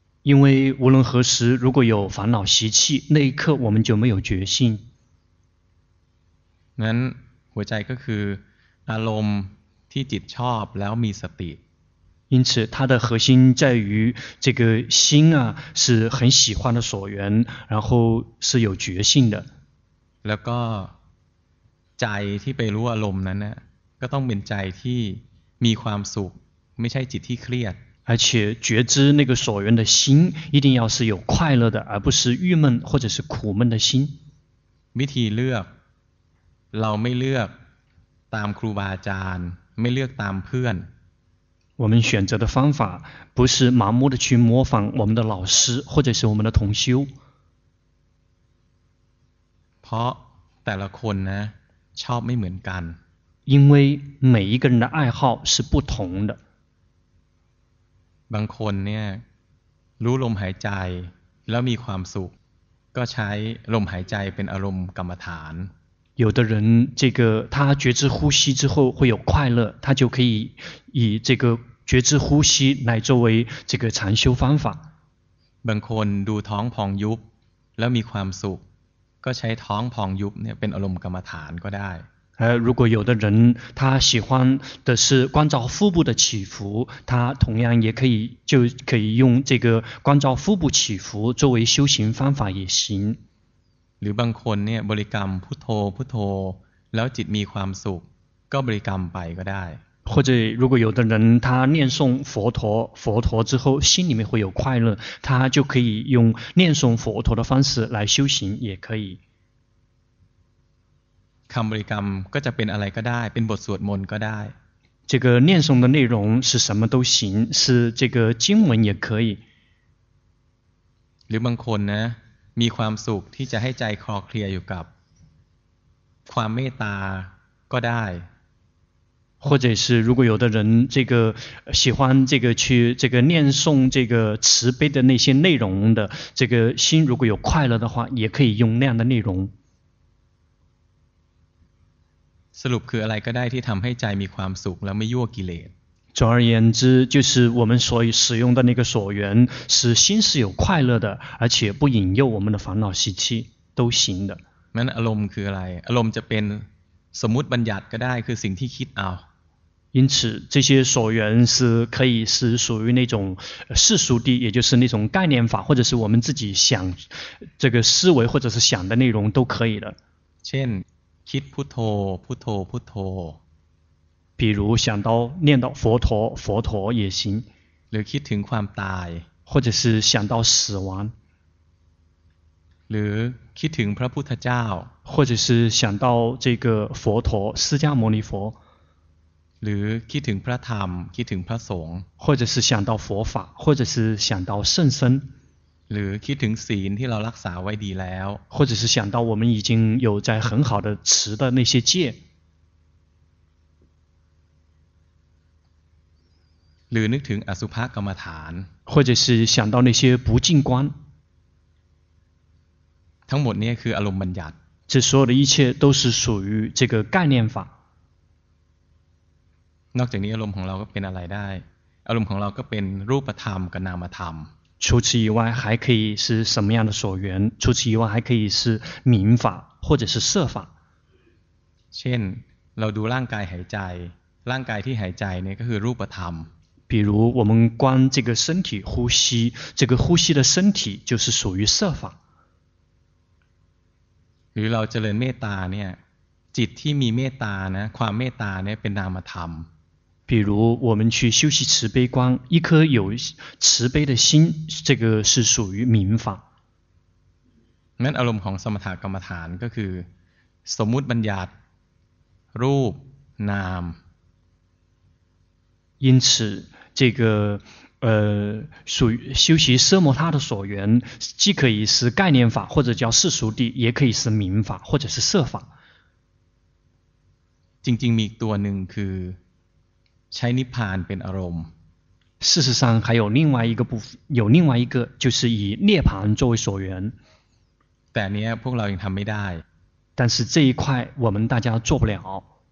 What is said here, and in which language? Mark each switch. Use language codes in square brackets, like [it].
[zh] 因为无论何时如果有烦恼习气那一刻我们就没有决心 [th] นั้นหัวใจก็คืออารมณ์ที่จิตชอบแล้วมีสติ [zh] 因此它的核心在于这个心啊是很喜欢的所缘然后是有决心的 [th] แล้วก็ใจที่ไปรู้อารมณ์นั้นนะก็ต้องเป็นใจที่มีความสุขไม่ใช่จิตที่เครียด [zh] 而且觉知那个所缘的心一定要是有快乐的而不是郁闷或者是苦闷的心 [th] วิธีเลือกเราไม่เลือกตามครูบาอาจารย์ไม่เลือกตามเพื่อน [zh] 我们选择的方法不是盲目的去模仿我们的老师或者是我们的同修 [th] เพราะแต่ละคนนะชอบไม่เหมือนกัน [zh] 因为每一个人的爱好是不同的 [th] บางคนเนี่ยรู้ลมหายใจแล้วมีความสุขก็ใช้ลมหายใจเป็นอารมณ์กรรมฐาน [zh] 有的人这个他觉知呼吸之后会有快乐他就可以以这个觉知呼吸来作为这个禅修方法 [th] บางคนดูท้องพองยุบแล้วมีความสุขก็ใช้ท้องพองยุบเนี่ยเป็นอารมณ์กรรมฐานก็ได้ [zh] 如果有的人他喜欢的是观照腹部的起伏他同样也可以就可以用这个观照腹部起伏作为修行方法也行 [th] หรือบางคนเนี่ยบริกรรมพุทโธพุทโธแล้วจิตมีความสุขก็บริกรรมไปก็ได้ [zh] 或者如果有的人他念诵佛陀佛陀之后心里面会有快乐他就可以用念诵佛陀的方式来修行也可以 [th] คำบริกรรมก็จะเป็นอะไรก็ได้เป็นบทสวดมนต์ก็ได้ [zh] 这个念诵的内容是什么都行是这个经文也可以 [th] หรือบางคนนะมีความสุขที่จะให้ใจคลอเคลียร์อยู่กับความเมตตาก็ได้ [zh] 或者是如果有的人这个喜欢这个去这个念诵这个慈悲的那些内容的这个心如果有快乐的话也可以用那样的内容 [th] สรุปคืออะไรก็ได้ที่ทำให้ใจมีความสุขแล้วไม่ยั่วกิเลส [zh] 总而言之就是我们所使用的那个所缘使心是有快乐的而且不引诱我们的烦恼习气都行的 [th] นั้นอารมณ์คืออะไรอารมณ์จะเป็นสมมุติบัญญัติก็ได้คือสิ่งที่คิดเอา [zh] 因此这些所缘是可以是属于那种世俗地也就是那种概念法或者是我们自己想这个思维或者是想的内容都可以的 [th] เช่นคิดพุทโธพุทโธพุทโธ [zh] 比如想到念到佛陀佛陀也行 [th] หรือคิดถึงความตาย [zh] 或者是想到死亡 [th] หรือคิดถึงพระพุทธเจ้า [zh] 或者是想到这个佛陀释迦牟尼佛 [th] หรือคิดถึงพระธรรมคิดถึงพระสงฆ์ [zh] 或者是想到佛法或者是想到圣僧 [th] หรือคิดถึงศีลที่เรารักษาไว้ดีแล้ว [zh] 或者是想到我们已经有在很好的持的那些戒 [th] หรือนึกถึงอสุภกรรมฐาน [zh] 或者是想到那些不净观 [th] ทั้งหมดนี้คืออารมณ์บัญญัติ [zh] 这所有的一切都是属于这个概念法 [th] นอกจากนี้อารมณ์ของเราก็เป็นอะไรได้อารมณ์ของเราก็เป็นรูปธรรมกับนามธรรม [zh] 除此以外还可以是什么样的所缘除此以外还可以是明法或者是色法 [th] เช่นเราดูร่างกายหายใจร่างกายที่หายใจเนี่ยก็คือรูปธรรม [zh] 比如我们观这个身体呼吸这个呼吸的身体就是属于色法 [th] หรือเราเจริญเมตตาเนี่ยจิตที่มีเมตตานะความเมตตาเนี่ยเป็นนามธรรม [zh] 比如我们去修习慈悲观一颗有慈悲的心这个是属于明法 [th] นั้นอารมณ์ของสมถกรรมฐานก็คือสมมุติบัญญัติรูปนาม [zh] 因此这个属于修习奢摩他的所缘，既可以是概念法，或者叫世俗地，也可以是明法，或者是色法。 [th] จริงๆมีตัวหนึ่งคือใช้นิพพานเป็นอารมณ์ [zh] 事实上还有另外一个部分有另外一个就是以涅槃作为所缘 [th] แต่เนี้ยพวกเรายังทำไม่ได้ [zh] 但是这一块我们大家做不了